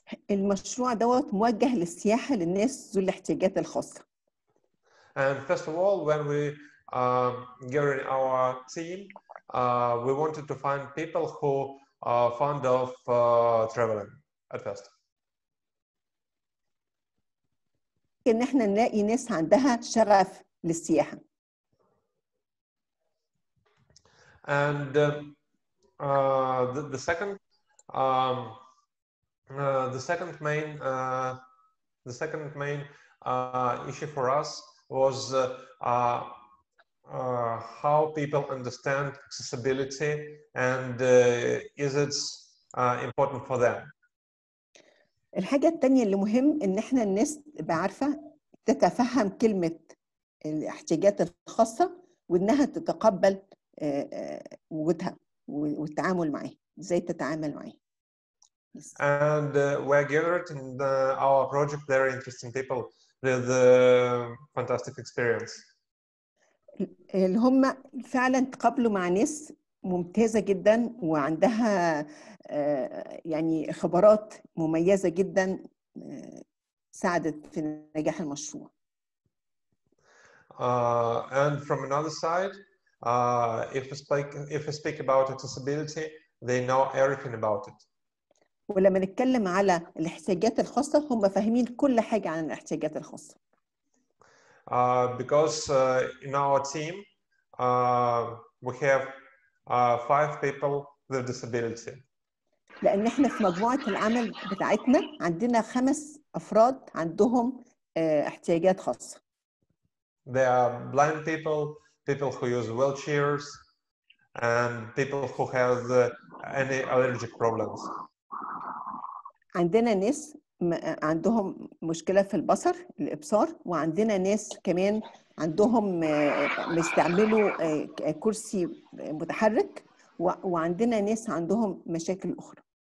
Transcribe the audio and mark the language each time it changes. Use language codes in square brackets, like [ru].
[ar] المشروع دوت موجه للسياحة للناس ذو الاحتياجات الخاصة. [en] And first of all, when we gathered our team, we wanted to find people who are fond of traveling at first. And the second main issue for us was how people understand accessibility and is it important for them. [ar] الحاجة التانية اللي مهم إن إحنا الناس بعرفة تتفهم كلمة الاحتياجات الخاصة وإنها تتقبل وجودها والتعامل معها إزاي تتعامل معها. [en] And we're gathered in the, our project very interesting people with fantastic experience. [ar] اللي هم فعلا تقابلوا مع ناس ممتازة جدا وعندها يعني خبرات مميزة جدا ساعدت في نجاح المشروع. [en] And from another side, if we speak about accessibility, they know everything about it. [ar] ولما نتكلم على الاحتياجات الخاصة هم فاهمين كل حاجة عن الاحتياجات الخاصة. [en] Because in our team, we have five people with disability. [ar] لأن إحنا في مجموعة العمل بتاعتنا عندنا خمس أفراد عندهم احتياجات خاصة. [en] They are blind people, people who use wheelchairs, and people who have any allergic problems. [ar] عندنا ناس عندهم مشكلة في البصر الإبصار وعندنا ناس كمان عندهم مستعملوا كرسي متحرك وعندنا ناس عندهم مشاكل أخرى.